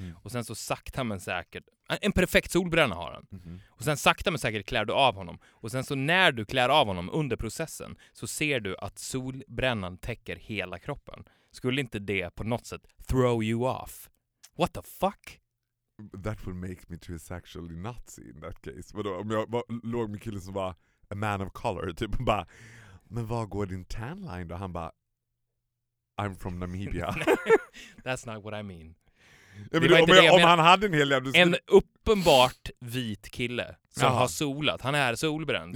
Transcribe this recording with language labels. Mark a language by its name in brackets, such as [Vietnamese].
[Swedish] Och sen så sakta men säkert, en perfekt solbränna har han. Och sen sakta men säkert klär du av honom. Och sen så när du klär av honom under processen så ser du att solbrännan täcker hela kroppen. Skulle inte det på något sätt [English] throw you off? What the fuck? That would make me too sexually Nazi in that case. [Swedish] Vadå, om jag låg med killen som var [English] a man of color, [Swedish] typ bara... Men var går din tan line då? Han bara, [English] I'm from Namibia. That's not what I mean. [Swedish] Ja, men om han hade en hel jävla... En uppenbart vit kille som har solat. Han är solbränd.